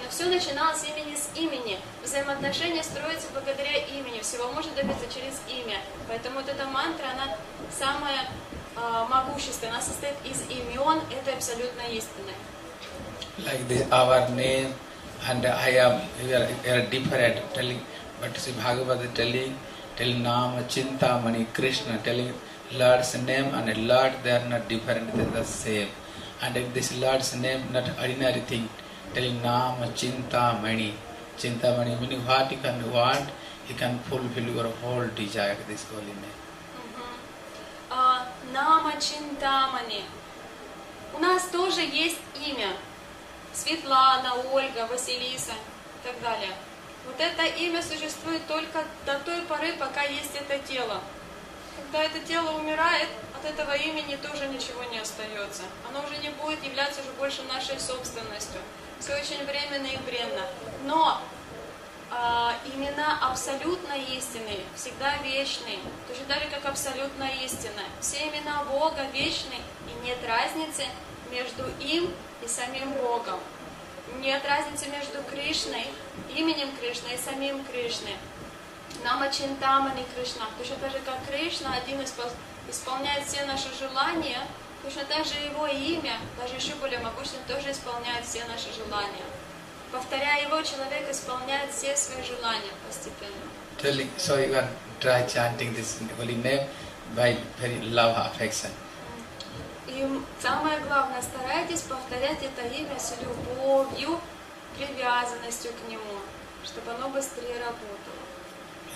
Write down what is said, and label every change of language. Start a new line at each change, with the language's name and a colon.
Russian: Но все начиналось с имени. Взаимоотношения строятся благодаря имени. Всего можно добиться через имя. Поэтому вот эта мантра, она самая могущественная. Она состоит из имен этой абсолютной истины.
English: Like this, our name, and I am, we are different, telling, but Sri Bhagavata telling Nama, Chintamani, Krishna, telling Lord's name and Lord, they are not different, they are the same. And if this Lord's name, not ordinary thing, telling Nama Chintamani. Chintamani meaning what you can want, you can fulfill your whole desire, this holy name.
Russian: Нама Чинтамани. У нас тоже есть имя. Светлана, Ольга, Василиса и так далее. Вот это имя существует только до той поры, пока есть это тело. Когда это тело умирает, от этого имени тоже ничего не остается. Оно уже не будет являться уже больше нашей собственностью. Все очень временно и бренно. Но имена абсолютно истины, всегда вечны, точно так же, как абсолютно истина. Все имена Бога вечны, и нет разницы между им и самим Богом. Нет разницы между Кришной, именем Кришны и самим Кришной. Нама Чинтамани Кришна. Точно так же, как Кришна один исполняет все наши желания, точно так же его имя, даже еще более могучим, тоже исполняет все наши желания. Повторяя его, человек исполняет все свои желания постепенно.
English: So you can try chanting this holy name by very love, affection.
Russian: И самое главное, старайтесь повторять это имя с любовью, привязанностью к нему, чтобы оно быстрее работало.